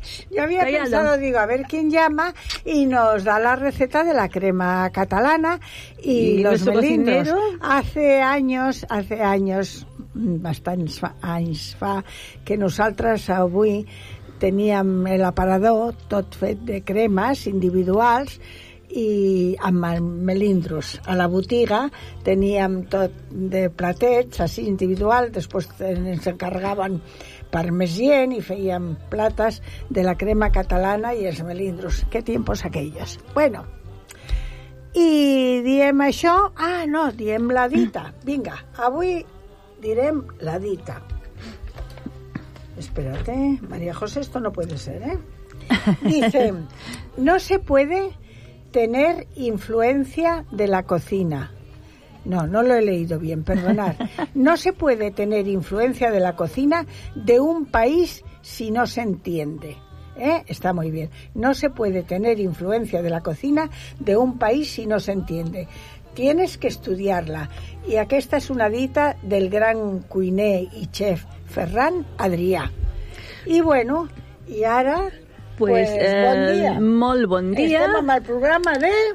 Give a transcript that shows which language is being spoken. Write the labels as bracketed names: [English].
[Spanish] Yo había pensado, digo, a ver quién llama y nos da la receta de la crema catalana y los melindros. Hace años, [Catalan] bastants anys fa, que nosaltres avui... teníem l'aparador tot fet de cremes individuals i amb melindros. A la botiga teníem tot de platets, així individual, després ens encarregaven per més gent i fèiem plates de la crema catalana i els melindros. Què tiempos aquells. Bueno, i diem això... Ah, no, diem la dita. Vinga, avui direm la dita. [Spanish] Espérate, María José, esto no puede ser, ¿eh? Dice, no se puede tener influencia de la cocina. No, no lo he leído bien, perdonad. No se puede tener influencia de la cocina de un país si no se entiende. ¿Eh? Está muy bien. No se puede tener influencia de la cocina de un país si no se entiende. Tienes que estudiarla. [Catalan] Y aquesta es una dita del gran cuiner y chef Ferran Adrià. I bueno, i ara, bon dia. Molt bon dia. Estem amb el programa de...